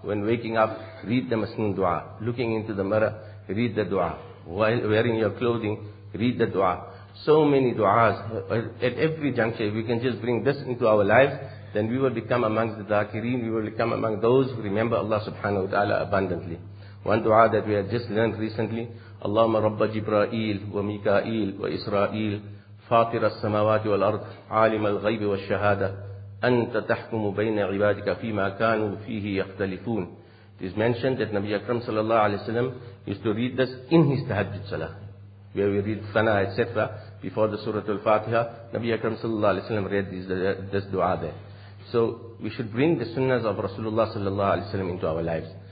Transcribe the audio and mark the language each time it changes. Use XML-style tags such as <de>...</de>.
<en>When waking up, read the masnoon dua. Looking into the mirror, read the dua. While wearing your clothing, read the dua. So many duas. At every juncture, if we can just bring this into our lives, then we will become amongst the dhakireen. We will become among those who remember Allah subhanahu wa ta'ala abundantly. One dua that we have just learned recently,</en> <ar>Allahumma Rabba Jibra'il wa Mika'il wa Israel, فاطر السماوات والأرض عالم الغيب والشهادة أنت تحكم بين عبادك فيما كانوا فيه يختلفون.</ar> <en>It is mentioned that Nabi Akram sallallahu alayhi wa sallam used to read this in his tahajjud salah, where we read sana, etc. before the Surah Al-Fatiha, Nabi Akram sallallahu alayhi wa sallam read this dua there. So we should bring the sunnahs of Rasulullah sallallahu alayhi wa sallam into our lives.</en>